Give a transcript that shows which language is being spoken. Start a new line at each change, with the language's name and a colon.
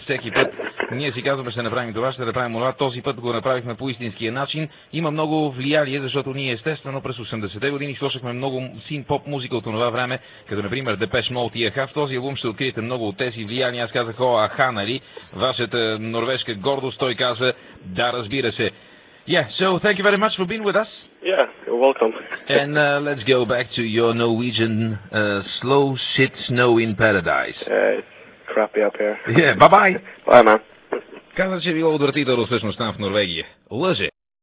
Bulgarian: Всеки път ние си казваме, ще направим това, ще направим това. Този път го направихме по истинския начин. Има много влияние, защото ние естествено през 80-те години слушахме много синт-поп музика от това време, като например Depeche Mode и Aha. В този албум ще откриете много от тези влияния. Аз казах, о, Aha, нали? Вашата норвежка гордост, той каза, да, разбира се.
English: Yeah, so thank you very much for being with us. Yeah, you're welcome. And let's go back to your Norwegian slow shit snow in paradise. It's crappy up here. Yeah, bye-bye. Bye, man.
Bulgarian: Каза, че било отвратително всъщност там в Норвегия. Лъже.